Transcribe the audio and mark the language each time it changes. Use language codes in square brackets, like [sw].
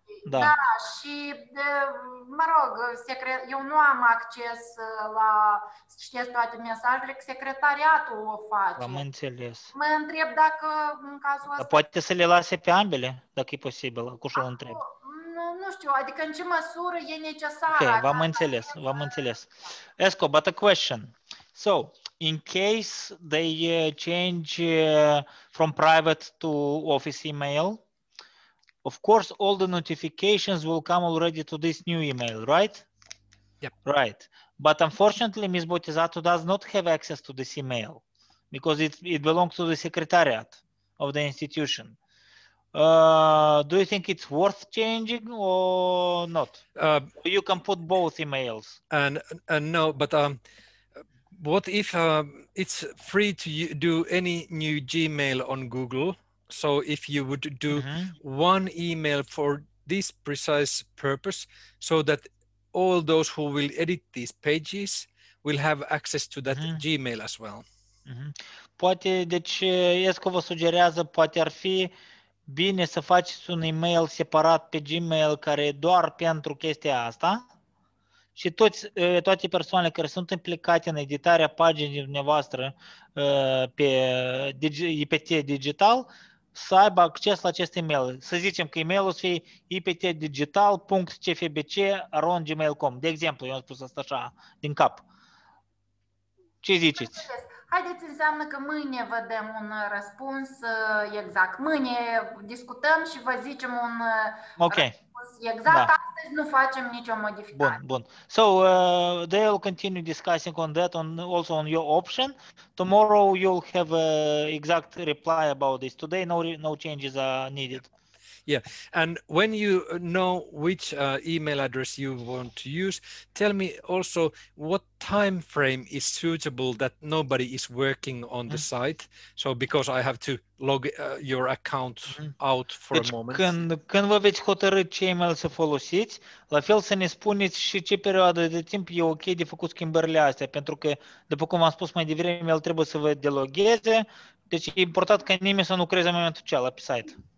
[ro] Da, și mă rog, eu nu am acces la, știți, toate mesajele, că secretariatul o face. Am înțeles. Mă întreb dacă în cazul ăsta... Poate să le lase pe ambele, dacă e posibil, acușa îl întreb. Nu știu, adică în ce măsură e necesară. Okay, v-am înțeles. [en] Esco, but a question. So... In case they change from private to office email, of course, all the notifications will come already to this new email, right? Yep. Right. But unfortunately, Ms. Botezatu does not have access to this email because it belongs to the secretariat of the institution. Do you think it's worth changing or not? You can put both emails. And no, but... what if it's free to do any new Gmail on Google? So if you would do one email for this precise purpose, so that all those who will edit these pages will have access to that Gmail as well. [ro] Poate, deci, Esco vă sugerează, poate ar fi bine să faceți un email separat pe Gmail care e doar pentru chestia asta. Și toate persoanele care sunt implicate în editarea paginii dumneavoastră pe IPT Digital să aibă acces la acest e-mail. Să zicem că e-mailul să fie iptdigital.cfbc@gmail.com. De exemplu, eu am spus asta așa din cap. Ce ziceți? Haideți, înseamnă că mâine vă dăm un răspuns exact. Mâine discutăm și vă zicem un răspuns exact. Da. Astăzi nu facem nicio modificare. Bun. [en] So, they will continue discussing on that, also on your option. Tomorrow you'll have an exact reply about this. Today no changes are needed. Yeah, and when you know which email address you want to use, tell me also what time frame is suitable that nobody is working on the site. So because I have to log your account out for [ro] deci [en] a moment. [ro] Când vă veți hotărâ ce email să folosiți, la fel să ne spuneți și ce perioadă de timp e ok de făcut schimbările astea, pentru că, după cum am spus mai devreme, el trebuie să vă delogheze, deci e important ca nimeni să nu creeze în momentul cel pe site.